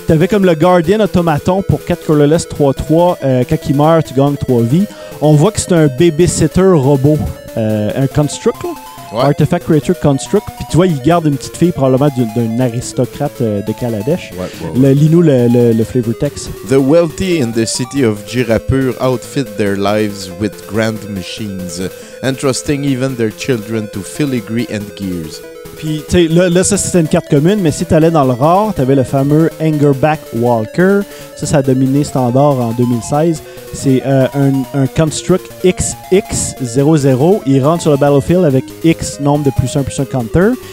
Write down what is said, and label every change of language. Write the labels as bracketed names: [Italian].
[French] Tu avais comme le Guardian Automaton pour 4 colorless 3-3. Quand il meurt, tu gagnes 3 vies. On voit que c'est un babysitter robot. Un construct, là. Ouais. [English] Artifact Creature Construct. [French] Puis tu vois, il garde une petite fille probablement d'un aristocrate de Kaladesh. Ouais, ouais, ouais. Lis-nous le flavor text. [English] The wealthy in the city of Girapur outfit their lives with grand machines, entrusting even their children to filigree and gears. [French] Puis tu sais, là ça c'était une carte commune, mais si t'allais dans le rare, t'avais le fameux Angerback Walker. Ça a dominé standard en 2016. C'est un construct XX00. Il rentre sur le battlefield avec X nombre de +1/+1 counter.